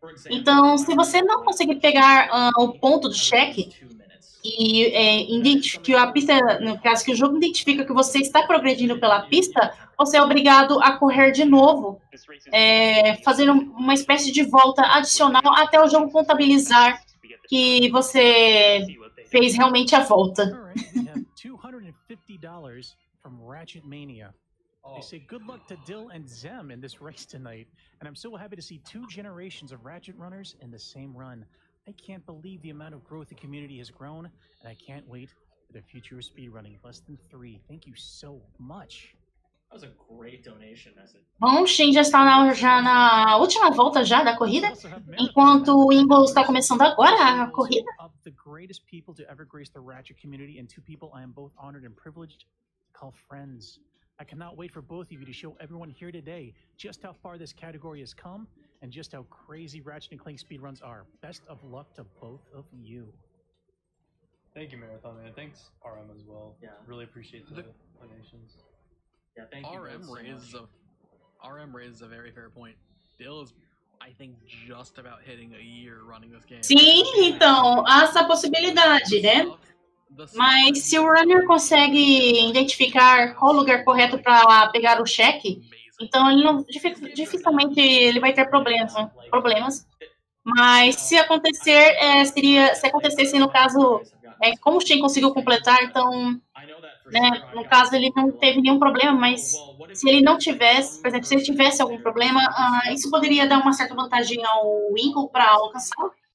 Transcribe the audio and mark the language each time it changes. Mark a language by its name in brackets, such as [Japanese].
[Portuguese] Então, se você não conseguir pegar o ponto do check, e a pista, no caso que o jogo identifica que você está progredindo pela pista, você é obrigado a correr de novo, fazer uma espécie de volta adicional até o jogo contabilizar que você fez realmente a volta. [English] $250 from Ratchet Mania. They say good luck to Dill and Zem in this race tonight, and I'm so happy to see two generations of Ratchet runners in the same run. I can't believe the amount of growth the community has grown, and I can't wait for the future of speedrunning. Less than three. Thank you so much. That was a great donation message. [Portuguese] Bom, Shane já está na última volta já da corrida, enquanto o Ingo está começando agora a corrida. [English] The greatest people to ever grace the Ratchet community, and two people I am both honored and privileged to call friends. I cannot wait for both of you to show everyone here today just how far this category has come and just how crazy Ratchet and Clank speedruns are. Best of luck to both of you. Thank you, Marathon Man. Thanks, RM, as well. Yeah. Really appreciate the donations. Yeah, thank you. RM raises a very fair point. Dill is, I think, just about hitting a year running this game. [Portuguese] Sim, então, há essa possibilidade, né? Mas se o runner consegue identificar qual o lugar correto para pegar o cheque, então ele não, dificilmente ele vai ter problemas. Mas se acontecer, se acontecesse no caso, como o Shane conseguiu completar, então, né, no caso ele não teve nenhum problema, mas se ele não tivesse, por exemplo, se ele tivesse algum problema, isso poderia dar uma certa vantagem ao Ingo para alcançar.